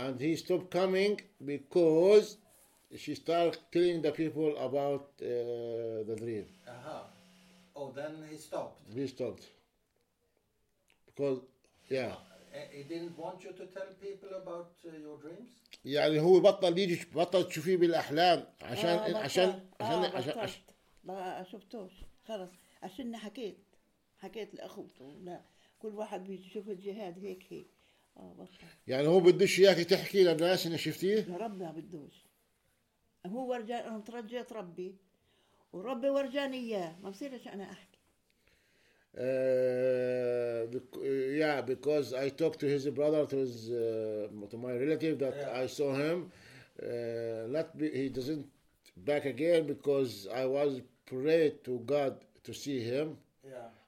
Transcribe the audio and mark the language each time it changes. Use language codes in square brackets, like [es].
[en] And he stopped coming because she started telling the people about the dream. Uh-huh. Oh, then he stopped. He stopped. Because, yeah. He didn't want you to tell people about your dreams? [ar] يعني هو بطل يجيش بطل تشوفيه بالأحلام عشان عشان عشان عشان عشان ما شفتوش خلص عشان انا حكيت لاخوته لا كل واحد بيشوف الجهاد هيك هيك بطل. يعني هو بدوش اياكي تحكي للناس انك شفتيه؟ ربنا بدوش هو ورجاني انا ترجيت ربي وربي ورجاني اياه ما بصيرش انا احكي [en] yeah because I talked to his brother to my relative that yeah. I saw him he doesn't back again because I was pray to God to see him. Yeah.